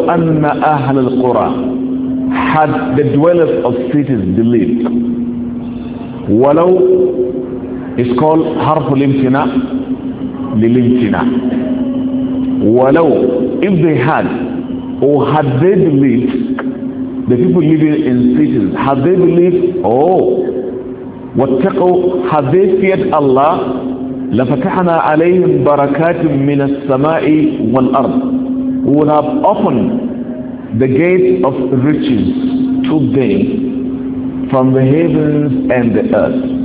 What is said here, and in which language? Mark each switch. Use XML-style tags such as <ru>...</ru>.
<ar>ولو أن أهل القرى</ar> <en>had the dwellers of cities believed.</en> <ar>ولو</ar> <en>is called</en> <ar>حرف الامتناع للامتناع. ولو,</ar> <en>if they had, or had they believed, the people living in cities, had they believed, oh,</en> <ar>واتقوا,</ar> <en>had they feared Allah,</en> <ar>لفتحنا عليهم بركات من السماء والأرض,</ar> <en>we would have opened the gates of riches to them from the heavens and the earth.</en>